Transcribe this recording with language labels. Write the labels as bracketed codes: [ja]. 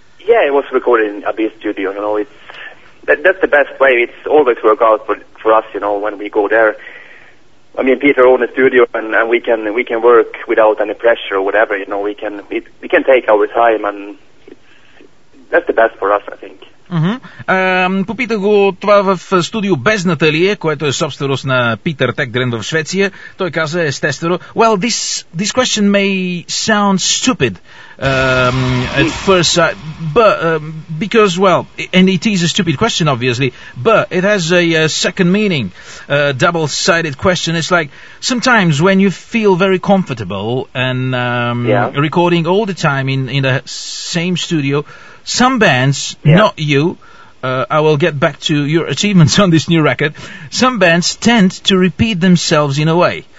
[en] Yeah, it was recorded in Abyss Studio. You know, that's the best way. It's always work out for us. You know, when we go there. I mean, Peter owns a studio, and we can work without any pressure or whatever. You know, we can take our time, and that's the best for us, I think. [bg] Попитах го това в студио Бездната ли е, което е собственост на Питър Текгрен в Швеция. Той каза естествено, [en] well, this question may sound stupid at first sight, but because, well, and it is a stupid question, obviously, but it has a second meaning, a double-sided question. It's like sometimes when you feel very comfortable and recording all the time in the same studio, some bands, not you, I will get back to your achievements on this new record, some bands tend to repeat themselves in a way.